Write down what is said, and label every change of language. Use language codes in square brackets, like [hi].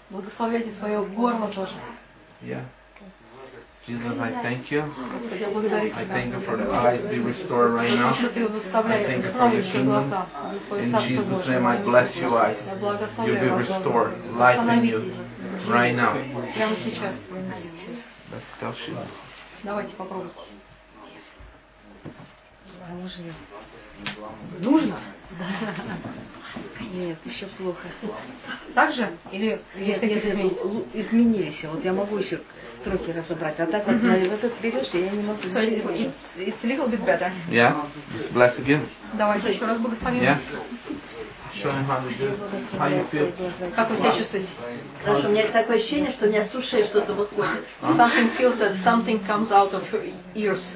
[ru] Благословляйте свое горло тоже. [en] Yeah. Jesus, I thank you. [ru] Господи, [en] I thank you for the eyes be restored right now. I thank you for your kingdom. In Jesus' name, I bless your eyes. You'll be restored. Life in you. Right now. Let's tell you. [ru] Давайте попробуйте. Нужно? Да. Нет, еще плохо. Так же? Или нет, есть какие-то изменения? Изменились. Вот я могу еще строки разобрать. А так вот, в этот берешь, я не могу. [en] So it's a little bit better. Yeah. Just bless again. [ru] Давайте еще раз благословим. [en] Yeah. Show him how to do it. How you feel? [ru] Как вы себя чувствуете? Хорошо. У меня такое ощущение, что у меня с ушей что-то выходит. [en] Something feels that something comes out of your ears.